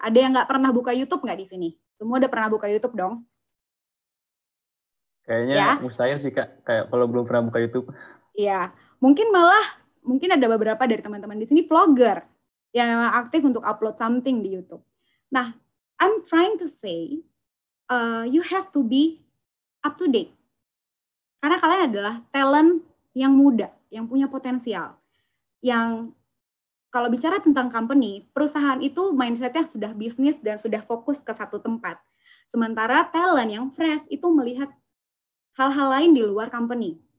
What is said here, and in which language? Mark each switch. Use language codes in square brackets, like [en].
[id] Ada yang nggak pernah buka YouTube nggak di sini? Semua udah pernah buka YouTube dong? Kayaknya ya? Mustahil sih, Kak. Kayak kalau belum pernah buka YouTube. Iya. Mungkin malah, mungkin ada beberapa dari teman-teman di sini vlogger yang memang aktif untuk [en] upload something [id] di YouTube. Nah, [en] I'm trying to say, you have to be up to date. [id] Karena kalian adalah talent yang muda, yang punya potensial, yang kalau bicara tentang company, perusahaan itu mindsetnya sudah bisnis dan sudah fokus ke satu tempat. Sementara talent yang fresh itu melihat hal-hal lain di luar company.